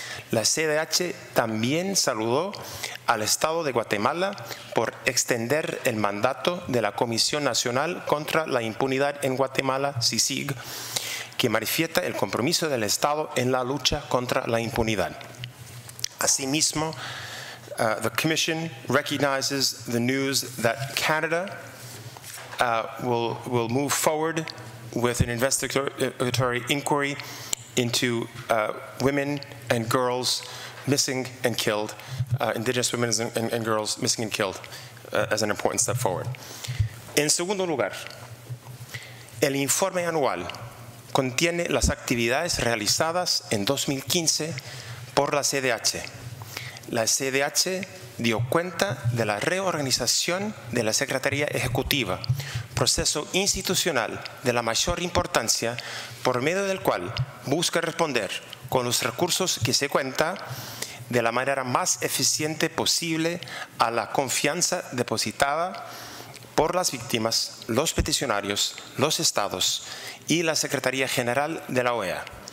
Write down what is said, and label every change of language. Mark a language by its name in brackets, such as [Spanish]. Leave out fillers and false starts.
[Spanish] La CDH también saludó al Estado de Guatemala por extender el mandato de la Comisión Nacional contra la Impunidad en Guatemala, CICIG, que manifiesta el compromiso del Estado en la lucha contra la impunidad. [English] Asimismo, the Commission recognizes the news that Canada will move forward with an investigatory inquiry into women and girls missing and killed, indigenous women and girls missing and killed, as an important step forward. [Spanish] En segundo lugar, el informe anual contiene las actividades realizadas en 2015 por la CDH. La CDH dio cuenta de la reorganización de la Secretaría Ejecutiva, proceso institucional de la mayor importancia por medio del cual busca responder con los recursos que se cuenta de la manera más eficiente posible a la confianza depositada por las víctimas, los peticionarios, los estados y la Secretaría General de la OEA.